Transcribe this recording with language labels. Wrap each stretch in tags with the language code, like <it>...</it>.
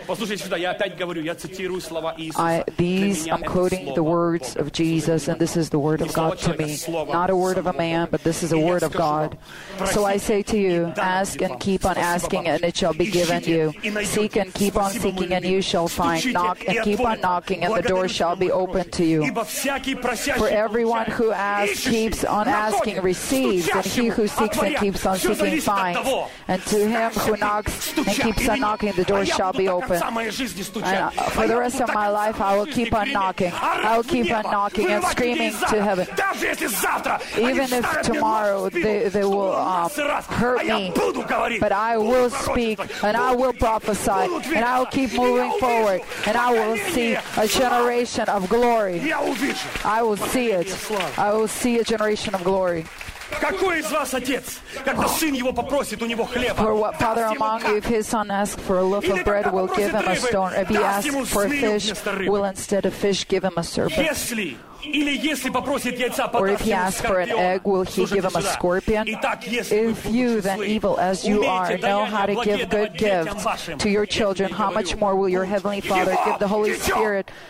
<ru>Послушайте сюда, я опять говорю, я цитирую слова Иисуса.</ru> <en>I'm quoting the words of Jesus, and this is the word of God to me. Not a word of a man, but this is a word of God. So I say to you, ask and keep on asking, and it shall be given you. Seek and keep on seeking, and you shall find. Knock and keep on knocking, and the door shall be opened to you. For everyone who asks, keeps on asking, receives. And he who seeks and keeps on seeking, finds. And to him who knocks and keeps on knocking, the door shall be open. And for the rest of my life, I will keep on knocking. I will keep on knocking and screaming to heaven. Even if tomorrow they will hurt me, but I will speak and I will prophesy and I will keep moving forward and I will see a generation of glory. I will see it. I will see a generation of glory.</en> <ru>Какой из вас отец, когда сын его попросит у него хлеба?</ru> <en>For what father among you, if his son asks for a loaf of bread, will give him a stone? If he asks for a fish, will instead of fish give him a serpent?</en> <ru>Если попросит яйца,</ru> <en>or if he asks for an egg, will he give him a scorpion?</en> <ru>Итак,</ru> <en>if you, then evil as you are, know how to give good gifts to your children, how much more will your heavenly Father give the Holy Spirit?</en>